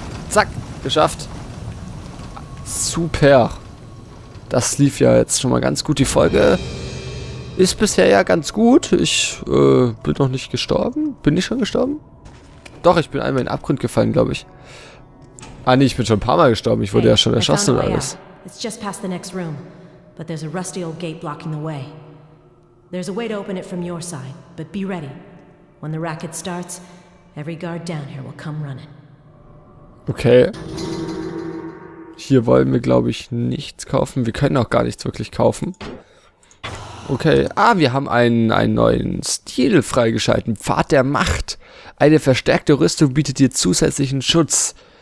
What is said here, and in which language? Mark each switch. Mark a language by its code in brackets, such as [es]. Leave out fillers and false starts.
[de] Zack, geschafft. Super. Das lief ja jetzt schon mal ganz gut. Die Folge ist bisher ja ganz gut. Ich bin noch nicht gestorben. Bin ich schon gestorben? Doch, ich bin einmal in den Abgrund gefallen, glaube ich. Ah nee, ich bin schon ein paar Mal gestorben. Ich wurde ja schon erschossen und alles. [en] It's just past the next room, but there's a rusty old gate blocking the way. There's a way to open it from your side, but be ready. When the racket starts, every guard down here will come running. Okay. [de] Hier wollen wir, glaube ich, nichts kaufen. Wir können auch gar nichts wirklich kaufen. Okay. Ah, wir haben einen neuen Stil freigeschalten. Pfad der Macht. Eine verstärkte Rüstung bietet dir zusätzlichen Schutz.